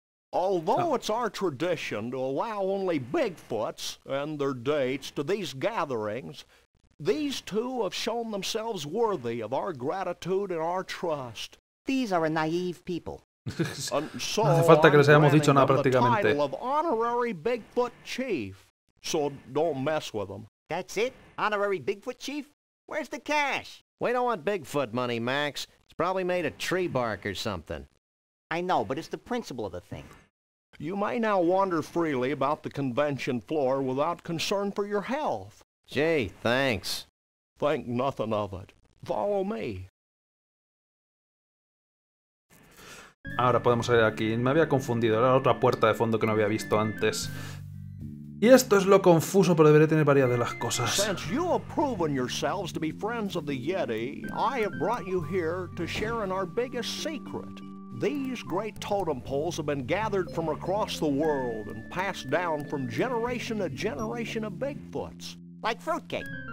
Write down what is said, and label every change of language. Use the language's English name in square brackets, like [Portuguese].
[English] Although it's our tradition to allow only Bigfoots and their dates to these gatherings, these two have shown themselves worthy of our gratitude and our trust. These are a naive people. [Spanish] So no hace falta que les hayamos dicho nada prácticamente. [English] The title of honorary Bigfoot chief. So don't mess with them. That's it? Honorary Bigfoot chief? Where's the cash? We don't want Bigfoot money, Max. It's probably made of tree bark or something. I know, but it's the principle of the thing. You may now wander freely about the convention floor without concern for your health. Gee, thanks. Think nothing of it. Follow me. [Spanish] Ahora podemos salir aquí. Me había confundido. Era otra puerta de fondo que no había visto antes. Y esto es lo confuso, pero debería tener varias de las cosas. [English] Since you have proven yourselves to be friends of the Yeti, I have brought you here to share in our biggest secret. These great totem poles have been gathered from across the world and passed down from generation to generation of Bigfoots. Like fruitcake.